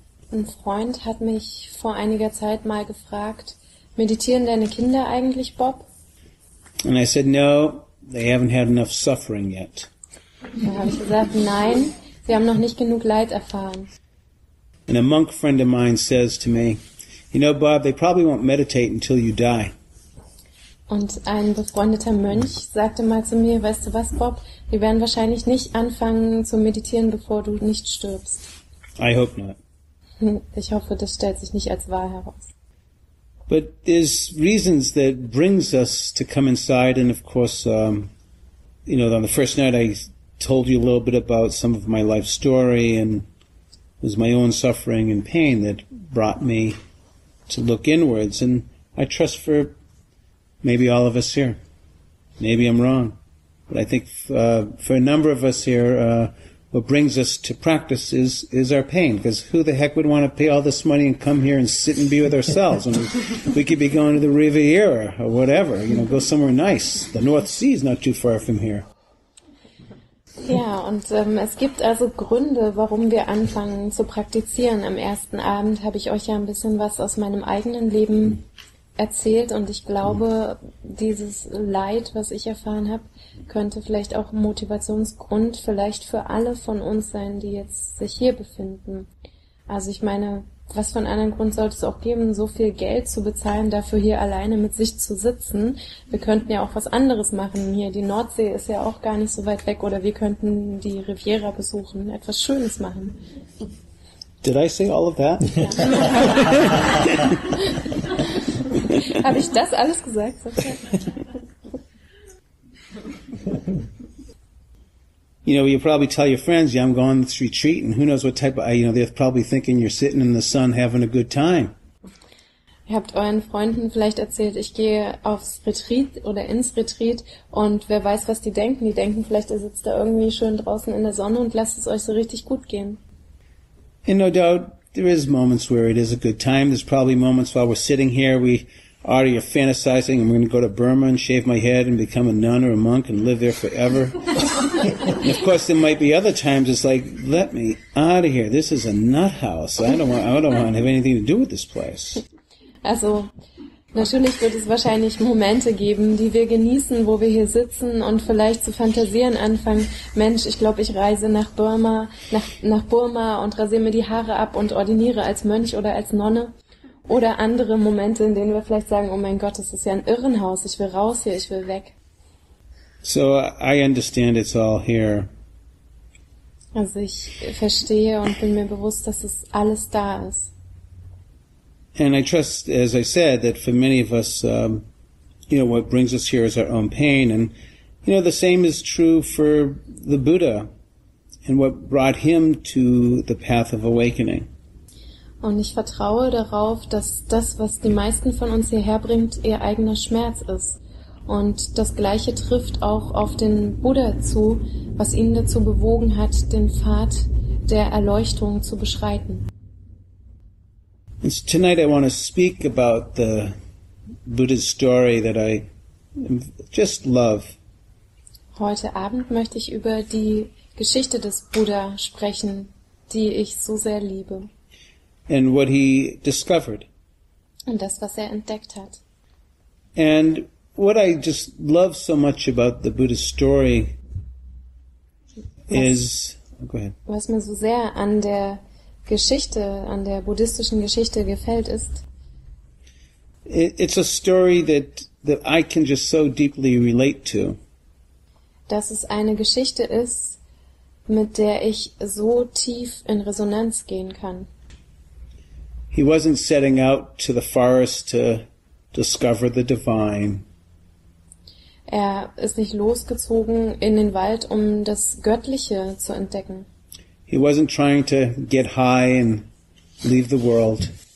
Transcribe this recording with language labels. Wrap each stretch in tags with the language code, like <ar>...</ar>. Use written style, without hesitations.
<de>Ein Freund hat mich vor einiger Zeit mal gefragt, "Meditieren deine Kinder eigentlich, Bob?"</de> <en>And I said, "No, they haven't had enough suffering yet."</en> <de>Da habe ich gesagt, "Nein, sie haben noch nicht genug Leid erfahren."</de> <en>And a monk friend of mine says to me, "You know, Bob, they probably won't meditate until you die."</en> <de>Und ein befreundeter Mönch sagte mal zu mir, "Weißt du was, Bob? Die werden wahrscheinlich nicht anfangen zu meditieren, bevor du nicht stirbst."</de> <en>I hope not.</en> <de>Ich hoffe, das stellt sich nicht als wahr heraus.</de> <en>But there's reasons that brings us to come inside, and of course, you know, on the first night I told you a little bit about some of my life story, and it was my own suffering and pain that brought me to look inwards, and I trust for maybe all of us here. Maybe I'm wrong. But I think for a number of us here, what brings us to practice is our pain. Because who the heck would want to pay all this money and come here and sit and be with ourselves? And we could be going to the Riviera or whatever, you know, go somewhere nice. The North Sea is not too far from here.</en> <de>Ja, und es gibt also Gründe, warum wir anfangen zu praktizieren. Am ersten Abend habe ich euch ja ein bisschen was aus meinem eigenen Leben erzählt, und ich glaube, dieses Leid, was ich erfahren habe, könnte vielleicht auch Motivationsgrund vielleicht für alle von uns sein, die jetzt sich hier befinden. Also ich meine, was für einen anderen Grund sollte es auch geben, so viel Geld zu bezahlen, dafür hier alleine mit sich zu sitzen? Wir könnten ja auch was anderes machen hier. Die Nordsee ist ja auch gar nicht so weit weg, oder wir könnten die Riviera besuchen, etwas Schönes machen.</de> <en>Did I say all of that?</en> <de>Habe ich das alles gesagt?</de> <en>You know, you probably tell your friends, "Yeah, I'm going on this retreat," and who knows what type of, you know, they're probably thinking you're sitting in the sun having a good time.</en> <de>Ihr habt euren Freunden vielleicht erzählt, ich gehe aufs Retreat oder ins Retreat, und wer weiß, was die denken. Die denken vielleicht, ihr sitzt da irgendwie schön draußen in der Sonne und lasst es euch so richtig gut gehen.</de> <en>And no doubt, there is moments where it is a good time. There's probably moments while we're sitting here, we are you fantasizing, "I'm going to go to Burma and shave my head and become a nun or a monk and live there forever." And of course, there might be other times it's like, "Let me out of here. This is a nut house. I don't want to have anything to do with this place."</en> <de>Also, natürlich wird es wahrscheinlich Momente geben, die wir genießen, wo wir hier sitzen und vielleicht zu fantasieren anfangen. Mensch, ich glaube, ich reise nach Burma und rasiere mir die Haare ab und ordiniere als Mönch oder als Nonne. Oder andere Momente, in denen wir vielleicht sagen, oh mein Gott, das ist ja ein Irrenhaus, ich will raus hier, ich will weg.</de> <en>So I understand it's all here.</en> <de>Also ich verstehe und bin mir bewusst, dass es alles da ist.</de> <en>And I trust, as I said, that for many of us, you know, what brings us here is our own pain. And, you know, the same is true for the Buddha and what brought him to the path of awakening.</en> <de>Und ich vertraue darauf, dass das, was die meisten von uns hierher bringt, ihr eigener Schmerz ist. Und das Gleiche trifft auch auf den Buddha zu, was ihn dazu bewogen hat, den Pfad der Erleuchtung zu beschreiten.</de> <en>And tonight I want to speak about the Buddha's story that I just love.</en> <de>Heute Abend möchte ich über die Geschichte des Buddha sprechen, die ich so sehr liebe.</de> <en>And what he discovered.</en> <de>Und das, was er entdeckt hat.</de> <en>And what I just love so much about the Buddha's story</en> <de>Was mir so sehr an der Geschichte, an der buddhistischen Geschichte gefällt, ist.</de> <en>It's a story that I can just so deeply relate to.</en> <de>Dass es eine Geschichte ist, mit der ich so tief in Resonanz gehen kann.</de> <en>He wasn't setting out to the forest to discover the divine.</en> <de>Er ist nicht losgezogen in den Wald, um das Göttliche zu entdecken.</de> <en>He wasn't trying to get high and leave the world.</en>